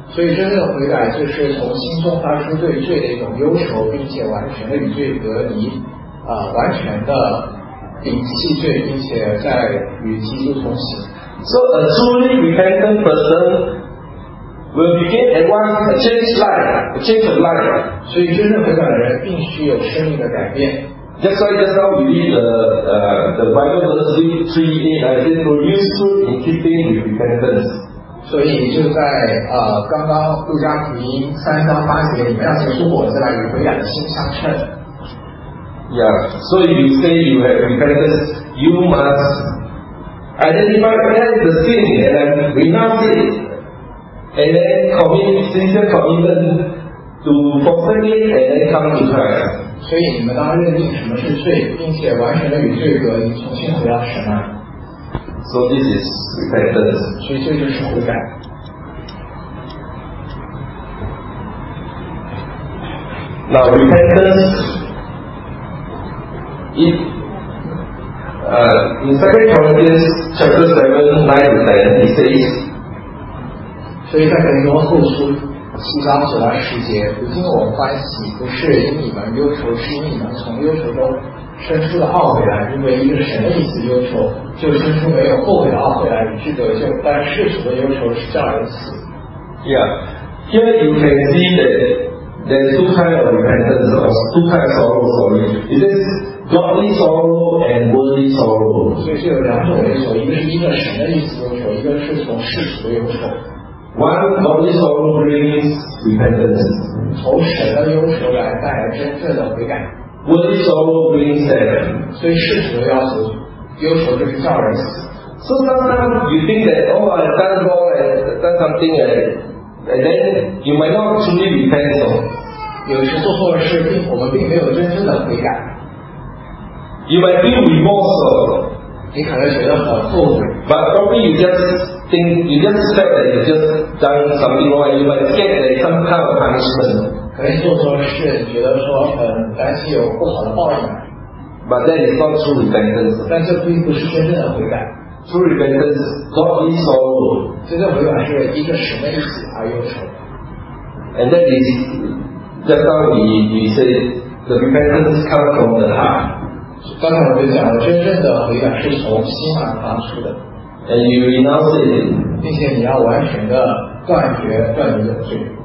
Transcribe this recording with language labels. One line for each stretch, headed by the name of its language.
Chinese: 所以真正的悔改就是从心中发出对罪的一种忧愁，并且完全的与罪隔离，完全的摒弃罪，并且在与基督同行。
English: So a truly repentant person will begin at once a change of life.
Chinese: 所以真正悔改的人必须有生命的改变。
English: That's why just now we read the Bible verse 3:8, I said, produce fruit in keeping with repentance.
Chinese: 所以你就在刚刚路加福音3:8，你们要结出果子来与悔改的心相称。
English: Yeah, so if you say you have repentance, you must identify as the sin and renounce it, and then commit sincere commitment to forsake it and then come to Christ.
Chinese: 所以你们当认定什么是罪，并且完全的与罪隔离，重新回到神啊。
English: So this is repentance.
Chinese: 所以这就是悔改。
English: Now repentance. In 2 Corinthians chapter 7:9-10, he says,
Chinese: 所以在哥林多后书4:9，如今我欢喜，不是因你们忧愁，是因你们从忧愁中生出的懊悔来。因为一个神的意思忧愁，就生出没有后悔的懊悔来，与之得救。但世俗的忧愁是这样的词。
English: Yeah, here you can see that there's two kinds of repentance or two kinds of sorrow. Sorry, it is. Godly sorrow and worldly sorrow.
Chinese: 所以是有两种忧愁，一个是因着神的意思忧愁，一个是从世俗的忧愁。
English: One godly sorrow brings repentance.
Chinese: 从神的忧愁来带来真正的悔改。
English: Worldly sorrow brings heaven.
Chinese: 所以世俗的忧愁就是叫人死。
English: So sometimes you think that, oh, I've done wrong and done something, and then you might not truly repent.
Chinese: 有时做错的事，我们并没有真正的悔改。
English: You might feel remorse,
Chinese: 你可能觉得很后悔。
English: But probably you just think, you just expect that you just done something wrong, and you might get like some kind of punishment.
Chinese: 可能做错事，觉得说很担心有不好的报应。
English: But that is not true repentance.
Chinese: 但这并不是真正的悔改。
English: True repentance, godly sorrow.
Chinese: 真正悔改是一个什么意思而忧愁。
English: And that is just how we say the repentance comes from the heart.
Chinese: 刚才我就讲了，真正的悔改是从心而发出的。
English: And you renounce it,
Chinese: 并且你要完全的断绝断你的罪。